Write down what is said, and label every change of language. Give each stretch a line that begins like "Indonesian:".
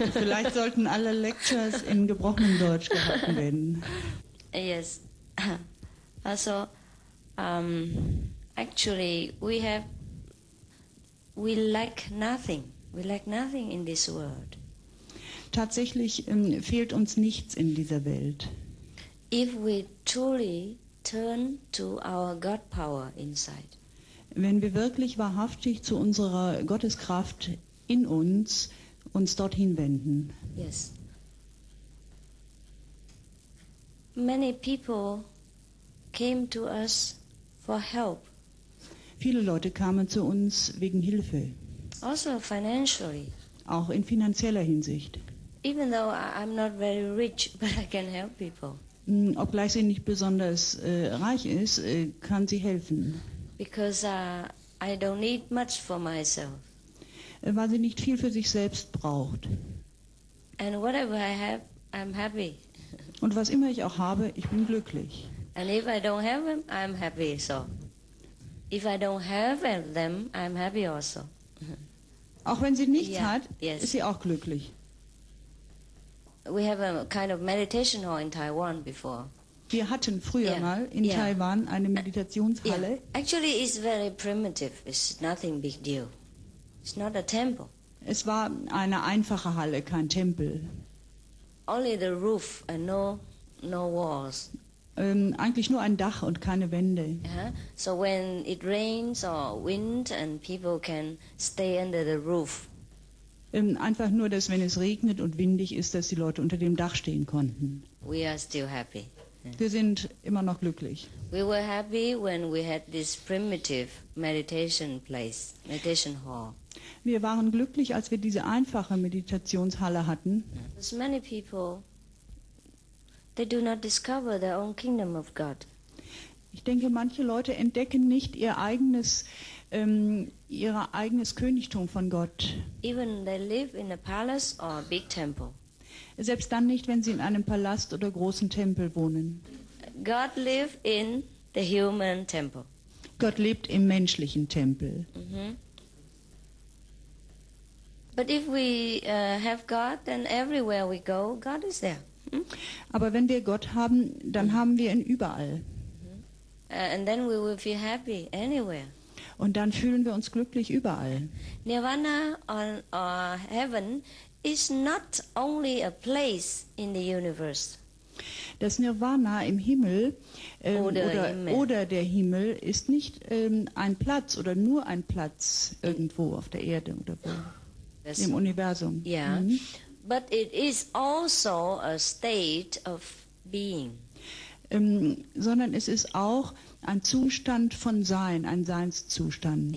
German: Vielleicht sollten alle Lectures in gebrochenem Deutsch gehalten werden.
English: Yes. Also, actually, we lack nothing in this world.
German: Tatsächlich fehlt uns nichts in dieser Welt.
English: If we truly turn to our God power inside.
German: Wenn wir wirklich wahrhaftig zu unserer Gotteskraft in uns dorthin wenden.
English: Yes. Many people came to us for help.
German: Viele Leute kamen zu uns wegen Hilfe.
English: Also financially.
German: Auch in finanzieller Hinsicht.
English: Even though I'm not very rich, but I can help people.
German: Obgleich sie nicht besonders reich ist, kann sie helfen.
English: Because I don't need much for myself.
German: Weil sie nicht viel für sich selbst braucht.
English: And whatever I have, I'm happy.
German: Und was immer ich auch habe, ich bin glücklich.
English: And if I don't have them, I'm happy so. If I don't have them, I'm happy also.
German: Auch wenn sie nichts hat, ist sie auch glücklich.
English: We have a kind of meditation hall in Taiwan before.
German: Wir hatten früher mal in Taiwan eine Meditationshalle.
English: Yeah. Actually, it's very primitive. It's nothing big deal. It's not a temple.
German: Es war eine einfache Halle, kein Tempel.
English: Only the roof and no walls.
German: eigentlich nur ein Dach und keine Wände.
English: Yeah. So when it rains or wind and people can stay under the roof.
German: Einfach nur, dass wenn es regnet und windig ist, dass die Leute unter dem Dach stehen konnten.
English: We are still happy.
German: Wir sind immer noch glücklich.
English: We were happy when we had this primitive meditation place, meditation hall.
German: Wir waren glücklich, als wir diese einfache Meditationshalle hatten.
English: As many people, they do not discover their own kingdom of God.
German: Ich denke, manche Leute entdecken nicht ihr eigenes Königtum von Gott.
English: Even they live in a palace or a big temple.
German: Selbst dann nicht, wenn sie in einem Palast oder großen Tempel wohnen.
English: God live in the human temple.
German: Gott lebt im menschlichen Tempel. Mm-hmm.
English: But if we have God, then everywhere we go, God is there.
German: Aber wenn wir Gott haben, dann haben wir ihn überall. Mm-hmm.
English: And then we will feel happy anywhere.
German: Und dann fühlen wir uns glücklich überall.
English: Nirvana or heaven is not only a place in the universe.
German: Das Nirvana im Himmel oder der Himmel ist nicht ein Platz oder nur ein Platz irgendwo auf der Erde oder wo, im Universum.
English: Yeah. Mhm. But it is also a state of being.
German: Sondern es ist auch ein Zustand von Sein, ein Seinszustand.